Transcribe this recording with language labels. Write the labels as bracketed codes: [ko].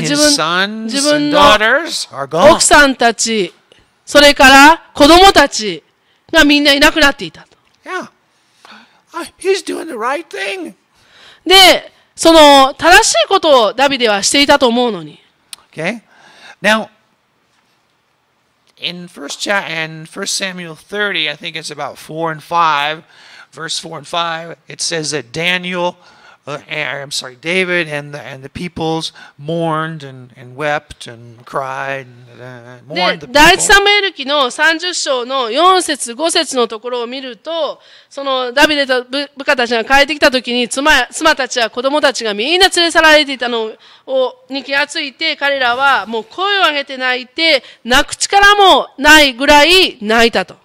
[ja] 自分の奥さんたち、それから子供たちがみんないなくなっていたと。 [en] Yeah. He's doing the right thing. [ja] で、その正しいことをダビデはしていたと思うのに。 [en] Okay. Now,In 1 Samuel 30, I think it's about 4 and 5, verse 4 and 5, it says that Daniel I'm sorry, David and the peoples mourned and wept and cried and mourned the people. [ja] 第一サムエル記の30章の4節5節のところを見ると、そのダビデと部下たちが帰ってきたときに妻たちや子供たちがみんな連れ去られていたのをに気がついて、彼らはもう声を上げて泣いて、泣く力もないぐらい泣いたと。